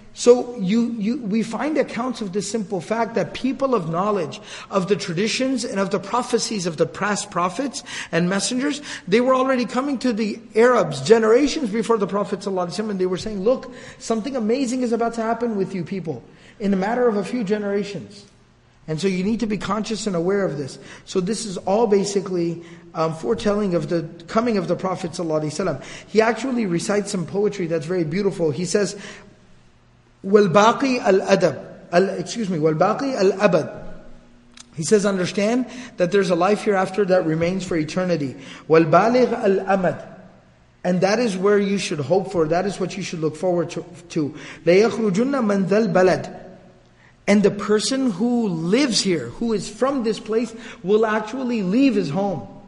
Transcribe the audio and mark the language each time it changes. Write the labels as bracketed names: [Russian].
[English] So we find accounts of the simple fact that people of knowledge, of the traditions and of the prophecies of the past prophets and messengers, they were already coming to the Arabs generations before the Prophet ﷺ, and they were saying, look, something amazing is about to happen with you people in a matter of a few generations. And so you need to be conscious and aware of this. So this is all basically foretelling of the coming of the Prophet ﷺ. He actually recites some poetry that's very beautiful. He says, [Arabic] والباقي الأدب والباقي الأبد. [English] He says, understand that there's a life hereafter that remains for eternity. [Arabic] والبالغ الأمد. [English] And that is where you should hope for. That is what you should look forward to. [Arabic] ليخرجن من ذا البلد. [English] And the person who lives here, who is from this place, will actually leave his home.